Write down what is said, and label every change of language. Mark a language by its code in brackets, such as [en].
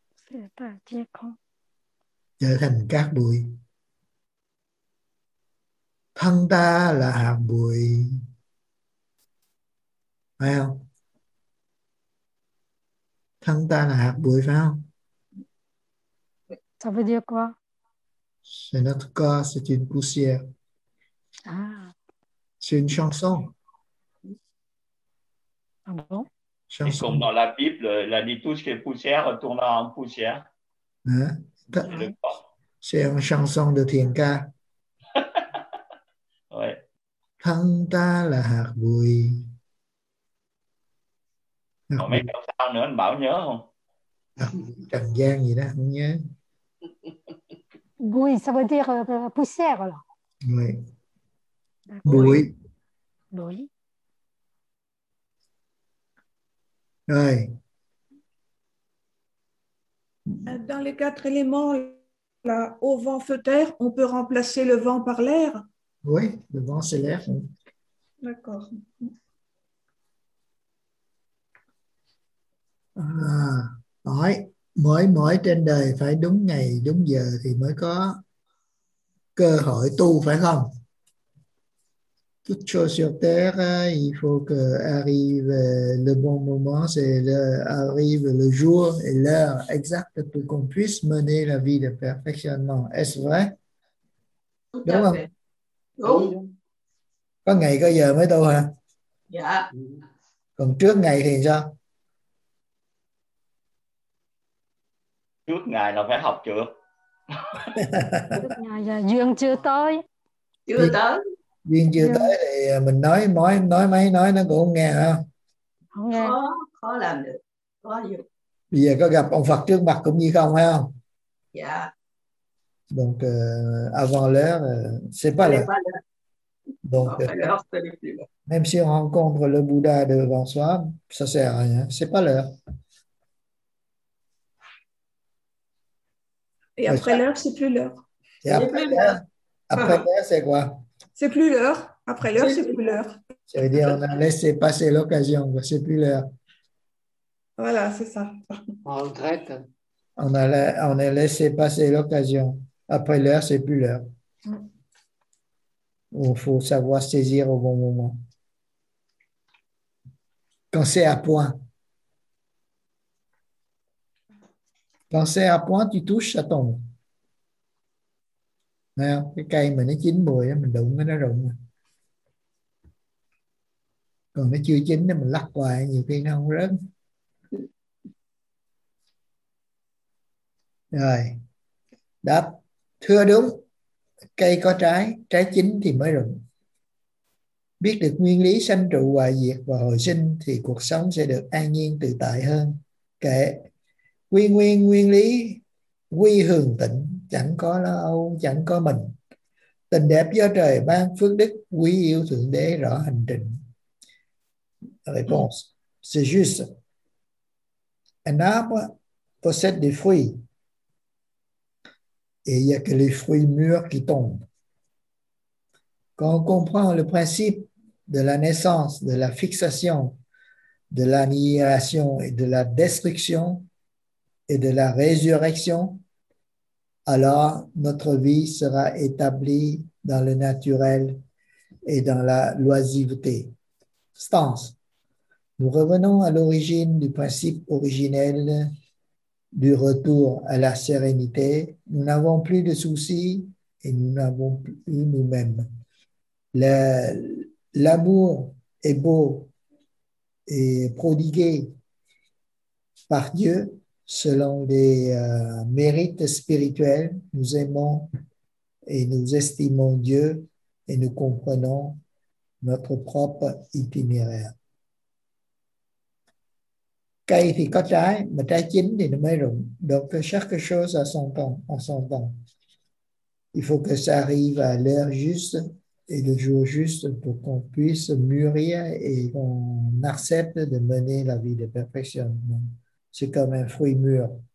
[vi] Tứ đại giai không trở thành cát bụi. thân ta là hạt bụi, phải không? Thân ta là hạt bụi, phải không? [fr] Ça veut dire quoi? C'est notre corps, c'est une poussière. Ah. C'est une chanson. Ah bon? C'est comme dans la Bible, elle a dit tout ce qui est poussière retourne en poussière. Hein? C'est une chanson de Tienka. Ouais. [vi] Thân ta là hạt bụi. Còn mấy câu sau nữa anh Bảo nhớ không? Trần gian gì đó, không nhớ. [fr] Bụi, ça veut dire poussière. Oui. Bụi. [vi] Bụi. [fr] Oui. Dans les quatre éléments, là, au vent, feu, terre, on peut remplacer le vent par l'air? Oui, le vent, c'est l'air. D'accord. [vi] Mỗi mỗi mỗi trên đời phải đúng ngày đúng giờ thì mới có cơ hội tu, phải không? [fr] Toute chose sur terre, il faut que arrive le bon moment, c'est le, arrive le jour et l'heure exacte pour qu'on puisse mener la vie de perfectionnement. Est-ce vrai? [vi] Đúng không? Đúng. Có ngày có giờ mới tu hả? Dạ. Còn trước ngày thì sao? Trước ngày là phải học trước. Trước ngày duyên chưa tới. Chưa tới. Duyên chưa tới thì mình nói mấy nói nó cũng không nghe hả? Không nghe. Khó làm được. Khó dụ. Bây giờ có gặp ông Phật trước mặt cũng như không hả? Dạ. [fr] Donc avant l'heure, c'est pas là. Donc même si on rencontre le Bouddha devant soi, ça sert à rien. C'est pas l'heure. Et après l'heure, c'est plus l'heure. Et après l'heure. Après l'heure, c'est quoi? C'est plus l'heure. Après l'heure, c'est plus l'heure. Ça veut dire on a laissé passer l'occasion. C'est plus l'heure. Voilà, c'est ça. On regrette. On a laissé passer l'occasion. Après l'heure, c'est plus l'heure. Il faut savoir saisir au bon moment. Quand c'est à point. Quand c'est à point, tu touches, ça tombe. [vi] Thấy không? Cái cây mà nó chín mùi, mình đụng nó rụng. Còn nó chưa chín, mình lắc hoài, nhiều khi nó không rớt. Rồi. Đáp. Thưa đúng. Cây có trái, trái chín thì mới rụng. Biết được nguyên lý sanh trụ hoại diệt và hồi sinh thì cuộc sống sẽ được an nhiên tự tại hơn. Kệ. Quy nguyên nguyên lý, quy hường tịnh, chẳng có lo âu, chẳng có mình. Tình đẹp do trời ban phước đức, quý yêu Thượng Đế rõ hành trình. [fr] Réponse. C'est juste. Un arbre possède des fruits. Et il n'y a que les fruits mûrs qui tombent. Quand on comprend le principe de la naissance, de la fixation, de l'annihilation et de la destruction, et de la résurrection, alors notre vie sera établie dans le naturel et dans la loisiveté. Stance. Nous revenons à l'origine du principe originel du retour à la sérénité. Nous n'avons plus de soucis et nous n'avons plus nous-mêmes. L'amour est beau et prodigué par Dieu. Selon les mérites spirituels, nous aimons et nous estimons Dieu et nous comprenons notre propre itinéraire. [vi] Cây thì có trái, mà trái chín thì nó mới rụng. [fr] Donc chaque chose a son temps, en son temps. Il faut que ça arrive à l'heure juste et le jour juste pour qu'on puisse mûrir et qu'on accepte de mener la vie de perfectionnement. C'est comme un fruit mûr.